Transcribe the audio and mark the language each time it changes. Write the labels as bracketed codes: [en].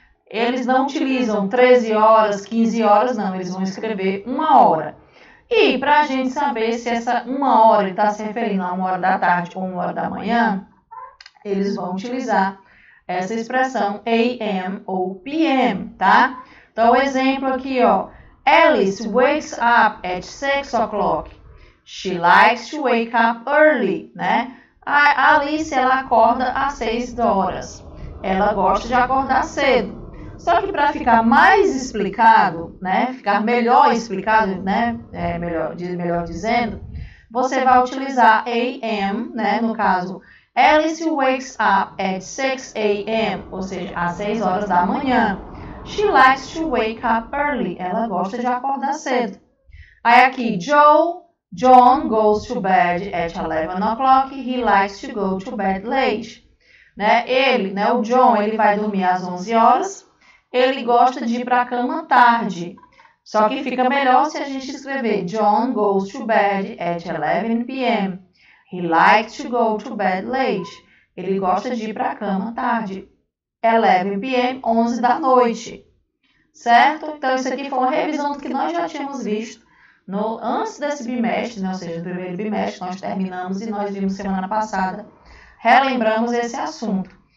[pt] Eles não utilizam 13 horas, 15 horas, não. Eles vão escrever uma hora. E para a gente saber se essa uma hora está se referindo a uma hora da tarde ou uma hora da manhã, eles vão utilizar essa expressão AM ou PM, tá? Então, o exemplo aqui, ó. [en] Alice wakes up at 6 o'clock. She likes to wake up early, né? [pt] A Alice, ela acorda às 6 horas. Ela gosta de acordar cedo. Só que para ficar mais explicado, né? Ficar melhor explicado, né? Melhor dizendo, você vai utilizar AM, né? No caso, [en] Alice wakes up at 6 a.m., [pt] ou seja, às 6 horas da manhã. [en] She likes to wake up early. [pt] Ela gosta de acordar cedo. Aí aqui, [en] John goes to bed at 11 o'clock. He likes to go to bed late. [pt] Né? Ele, né? O John, ele vai dormir às 11 horas. Ele gosta de ir para a cama tarde. Só que fica melhor se a gente escrever [en] John goes to bed at 11 p.m. He likes to go to bed late. [pt] Ele gosta de ir para a cama tarde. 11 p.m., 11 da noite. Certo? Então, isso aqui foi uma revisão do que nós já tínhamos visto. No, antes desse bimestre, né, ou seja, no primeiro bimestre, nós terminamos e nós vimos semana passada, relembramos esse assunto.